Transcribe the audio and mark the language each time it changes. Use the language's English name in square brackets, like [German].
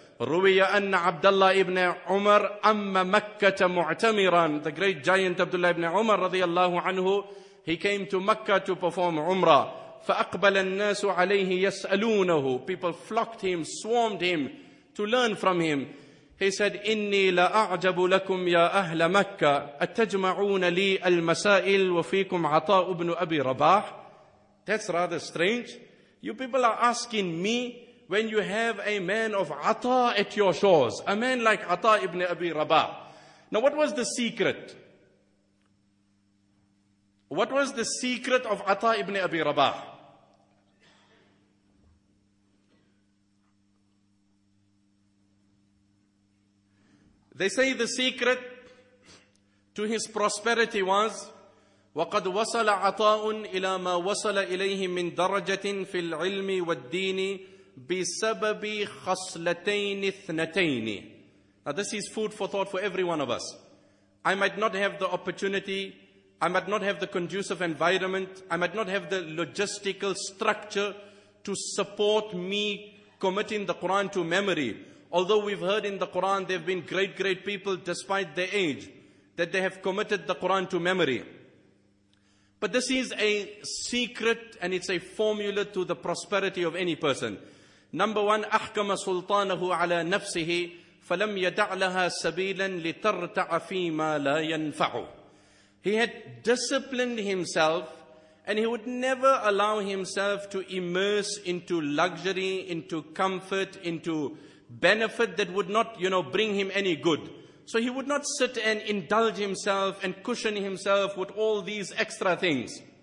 [Arabic] رُوِيَ أَنَّ عَبْدَ اللَّهِ إِبْنَ عُمَرَ أَمَّ مَكَّةَ مُعْتَمِرًا. [English] The great giant Abdullah ibn Umar [Arabic] رضي الله عنه, [English] he came to Mecca to perform Umrah. [Arabic] فَأَقْبَلَ النَّاسُ عَلَيْهِ يَسْأَلُونَهُ. [English] People flocked him, swarmed him. to learn from him. He said, [Arabic] إِنِّي لَأَعْجَبُ لَكُمْ يَا أَهْلَ مَكَّةَ أَتَّجْمَعُونَ لِي الْمَسَائِلِ وَفِيكُمْ عَطَاءُ بْنُ أَبِي رَبَاحٍ. [English] That's rather strange. You people are asking me when you have a man of Ata at your shores, a man like Ata ibn Abi Rabah. Now what was the secret? What was the secret of Ata ibn Abi Rabah? They say the secret to his prosperity was, [Arabic] وَقَدْ وَصَلَ عَطَاءٌ إِلَى مَا وَصَلَ إِلَيْهِ مِنْ دَرَجَةٍ فِي الْعِلْمِ وَالدِّينِ بِسَبَبِ خَصْلَتَيْنِ اثْنَتَيْنِ. [English] Now this is food for thought for every one of us. I might not have the opportunity, I might not have the conducive environment, I might not have the logistical structure to support me committing the Quran to memory. Although we've heard in the Quran there have been great, great people despite their age, that they have committed the Quran to memory. But this is a secret and it's a formula to the prosperity of any person. Number one, [Arabic] أحكم سلطانه على نفسه فلم يدع لها سبيلا لترتع فيما لا ينفع. [English] He had disciplined himself and he would never allow himself to immerse into luxury, into comfort, into benefit that would not, you know, bring him any good. So he would not sit and indulge himself and cushion himself with all these extra things.